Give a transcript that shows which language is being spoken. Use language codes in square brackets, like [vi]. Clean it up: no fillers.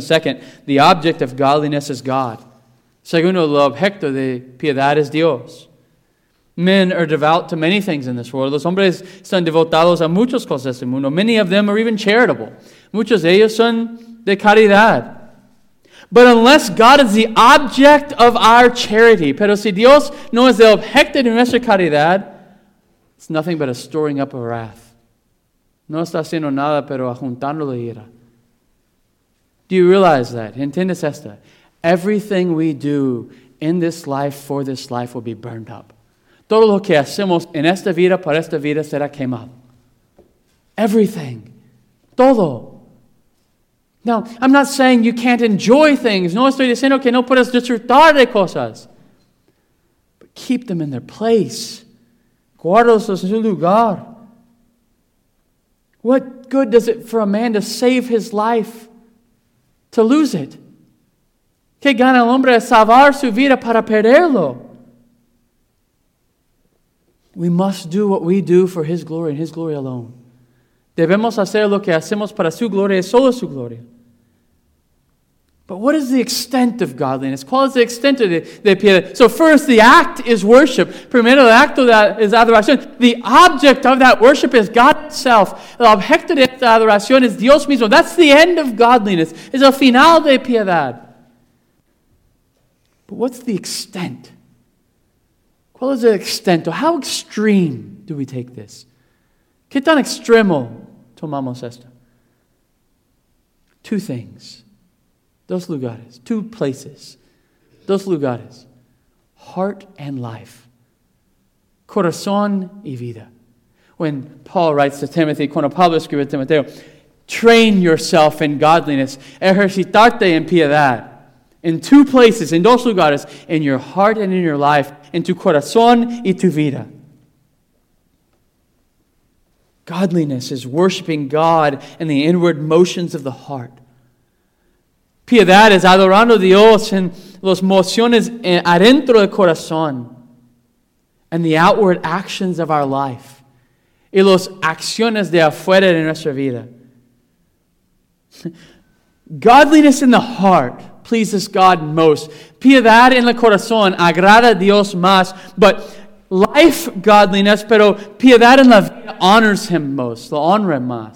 [en] Second, the object of godliness is God. [es] Segundo, el objeto de piedad es Dios. [en] Men are devout to many things in this world. [es] Los hombres están devotados a muchas cosas en este mundo. [en] Many of them are even charitable. [es] Muchos de ellos son de caridad. [en] But unless God is the object of our charity, [es] pero si Dios no es el objeto de nuestra caridad, [en] it's nothing but a storing up of wrath. [es] No está haciendo nada, pero ajuntando la ira. [en] Do you realize that? [es] ¿Entiendes esto? [en] Everything we do in this life for this life will be burned up. [es] Todo lo que hacemos en esta vida para esta vida será quemado. [en] Everything. [es] Todo. [en] Now, I'm not saying you can't enjoy things. [es] No estoy diciendo que no puedes disfrutar de cosas. [en] But keep them in their place. [es] Guardalos en su lugar. [en] What good does it for a man to save his life to lose it? [es] ¿Qué gana el hombre a salvar su vida para perderlo? [en] We must do what we do for His glory and His glory alone. [es] Debemos hacer lo que hacemos para su gloria y solo su gloria. [en] But what is the extent of godliness? [es] ¿Cuál es el extento de piedad? [en] So first, the act is worship. [es] Primero, el acto de, es adoración. [en] The object of that worship is God Himself. [es] El objeto de esta adoración es Dios mismo. [en] That's the end of godliness. [es] Es el final de piedad. [en] But what's the extent? [es] ¿Cuál es el extento? [en] How extreme do we take this? [es] ¿Qué tan extremo tomamos esto? [en] Two things. [es] Dos lugares, [en] two places, dos lugares, heart and life, [es] corazón y vida. [en] When Paul writes to Timothy, [es] cuando Pablo escribe a Timoteo, [en] train yourself in godliness, [es] ejercitarte en piedad, [en] in two places, in [es] dos lugares, [en] in your heart and in your life, in [es] tu corazón y tu vida. [en] Godliness is worshiping God in the inward motions of the heart. [es] Piedad es adorando a Dios en las emociones adentro del corazón [en] and the outward actions of our life [es] y las acciones de afuera de nuestra vida. [en] Godliness in the heart pleases God most. [es] Piedad en el corazón agrada a Dios más, [en] but life godliness, [es] pero piedad en la vida [en] honors Him most, [es] lo honra más.